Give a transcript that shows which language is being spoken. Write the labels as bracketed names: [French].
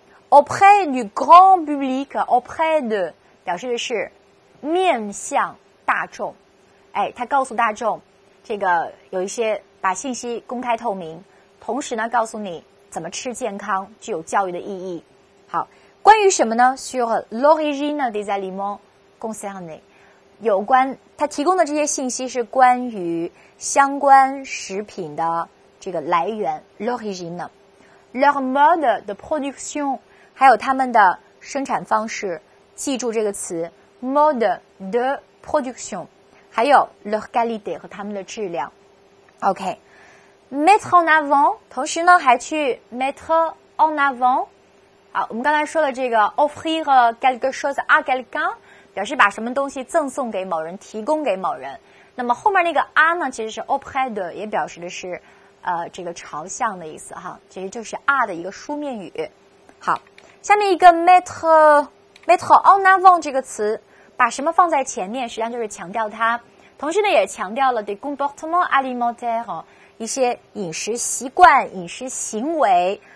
[French] Auprès du grand public, auprès de, [Chinese] 表示的是面向大众。哎，他告诉大众这个有一些把信息公开透明，同时呢告诉你怎么吃健康，具有教育的意义。好，关于什么呢？ [French] Sur l'origine des aliments concernés, [Chinese] 有关他提供的这些信息是关于相关食品的这个来源 [French] l'origine, leur mode de production, [Chinese] 还有他们的生产方式，记住这个词 [French] mode de production, [Chinese] 还有 [French] leur qualité [Chinese] 和他们的质量。 OK, [French] mettre en avant, [Chinese] 同时呢还去 [French] mettre en avant。 [Chinese] 好，我们刚才说了这个 [French] offrir quelque chose à quelqu'un， [Chinese] 表示把什么东西赠送给某人，提供给某人。那么后面那个 à 呢，其实是 auprès de， 也表示的是这个朝向的意思哈，其实就是 à 的一个书面语。好，下面一个 [French] mettre en avant [Chinese] 这个词，把什么放在前面，实际上就是强调它，同时呢也强调了 [French] des comportements alimentaires， [Chinese] 一些饮食习惯、饮食行为。